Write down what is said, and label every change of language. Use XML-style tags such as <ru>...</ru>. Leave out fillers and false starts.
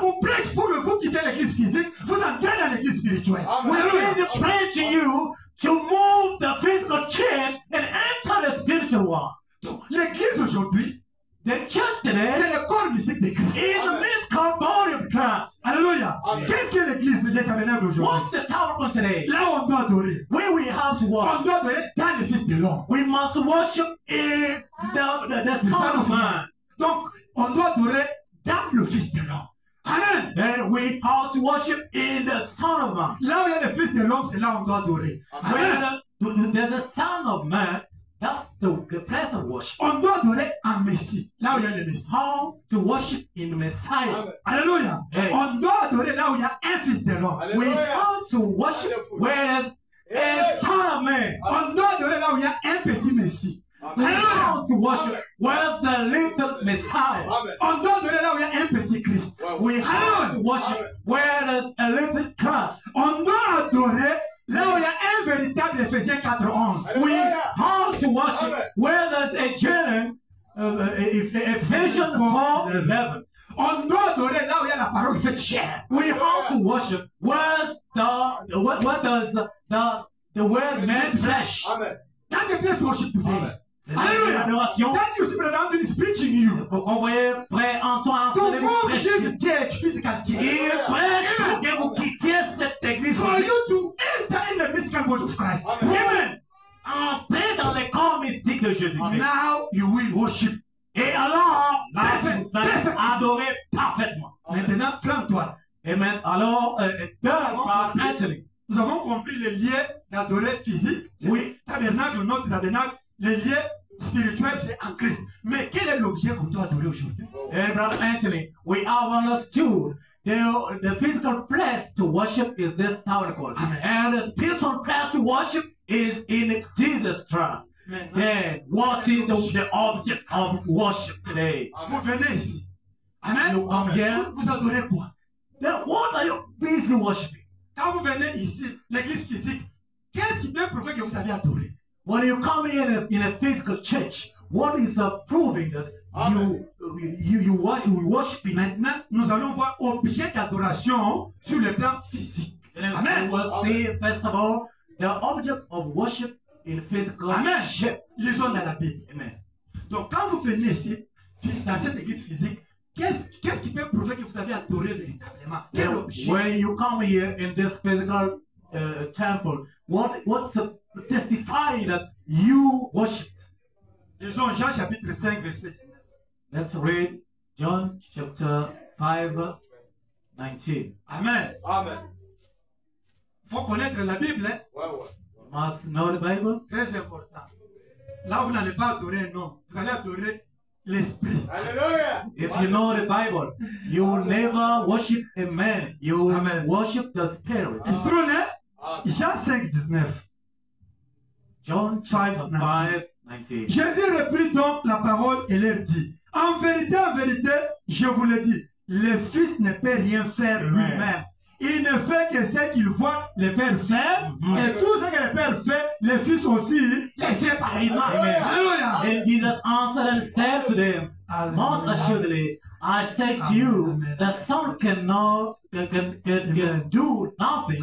<fr>Vous prêchez pour vous quitter l'église physique, vous entrez dans l'église spirituelle.</fr> <en>We are preaching you to move the physical church and enter the spiritual one.</en> <fr>Donc, l'église aujourd'hui,</fr> <en>the church today,</en> <fr>c'est le corps mystique de Christ.</fr> <en>In the midst of the body of Christ.</en> <fr>Alléluia. Qu'est-ce que l'église, le tabernacle aujourd'hui?</fr> <en>What's the tabernacle today?</en> <fr>Là où on doit adorer.</fr> <en>Where we have to worship.</en> <fr>On doit adorer dans le fils de l'homme.</fr> <en>We must worship in the Son of Man.</en> <fr>Donc, on doit adorer dans le fils de l'homme. Amen.</fr> <en>Then we ought to worship in the Son of Man.</en> <fr>Là où il y a le fils de l'homme, c'est là où on doit adorer. Amen.</fr> <en>The Son of Man, that's the place of worship.</en> <fr>On doit adorer un Messie. Là où il y a le Messie.</fr> <en>How to worship in the Messiah. Alléluia. Hey.</en> <fr>On doit adorer là où il y a un fils de l'homme. Alleluia.</fr> <en>We ought to worship where there is a Son of Man.</en> <fr>On doit adorer là où il y a un petit Messie. Amen.</fr> <en>We want to worship where the little Messiah.</en> <fr>On doit adorer là où il y a un petit Christ.</fr> <en>We want to worship where there's a little Christ.</en> <fr>On doit adorer là où il y a un véritable Ephésiens 4:11.</fr> <en>We want to worship where there's a genuine Ephésiens 4:11.</en> <fr>On doit adorer là où il y a la parole faite chair.</fr> <en>We want to worship where's the what does the word man flesh. Amen.</en> <fr>Dans quelle place</fr> <en>worship today? Amen. Alléluia. That you see, brother, I'm preaching you.</en> <fr>Vous envoyez Frère Antoine. Tout le monde dit</fr> <en>church, physical church.</en> <fr>Il prêche pour que vous quittiez cette église.</fr> <en>For you to enter in the mystical body of Christ. Amen.</en> <fr>Entrez dans le corps mystique de Jésus-Christ.</fr> <en>And now you will worship.</en> <fr>Et alors, parfait, vous allez adorer parfaitement. Amen. Maintenant, Frère-Antoine. Amen. Alors, Anthony. Nous avons compris les liens d'adorer physique. C'est oui. Tabernacle, notre tabernacle. Le lien spirituel, c'est en Christ. Mais quel est l'objet qu'on doit adorer aujourd'hui?</fr> <en>Hey, brother Anthony, we have understood the physical place to worship is this tabernacle. And the spiritual place to worship is in Jesus Christ. Then, what is the object of worship today?</en> <fr>Vous venez ici. Amen. Amen. Vous adorez quoi?</fr> <en>Then what are you busy worshiping?</en> <fr>Quand vous venez ici, l'église physique, qu'est-ce qui peut prouver que vous avez adoré?</fr> <en>When you come here in a physical church, what is proving that you worship?</en> <fr>Maintenant, nous allons voir objet d'adoration sur le plan physique.</fr> <en>And Amen. We will see, first of all, the object of worship in physical Amen. Shape.</en> <fr>Lisons dans la Bible. Amen. Donc, quand vous venez ici, dans cette église physique, qu'est-ce qui peut prouver que vous avez adoré véritablement? Quel</fr> <en>Now,</en> <fr>objet?</fr> <en>When you come here in this physical temple, what's testify that you worship?</en> <fr>Lisons Jean chapitre 5, verset 19.</fr> <en>Let's read John chapter 5, 19. Amen. Amen.</en> <fr>Faut connaître la Bible. Ouais.</fr> <en>Must know the Bible.</en> <fr>Très important. Là, vous n'allez pas adorer, non. Vous allez adorer l'Esprit. Alléluia.</fr> <en>If you know the Bible, you will never worship a man. You will Amen. Worship the Spirit.</en> <fr>C'est trop, hein? Jean 5, 19.</fr> <en>John 5:19.</en> <fr>Jésus reprit donc la parole et leur dit: en vérité, je vous le dis, le Fils ne peut rien faire lui-même. Il ne fait que ce qu'il voit le Père faire, mm-hmm. et tout ce que le Père fait, le Fils aussi le fait pareillement. Amen. Alléluia.</fr> <en>Et Jésus answered and said to them, most assuredly, I say to you, the Son cannot can do nothing</en>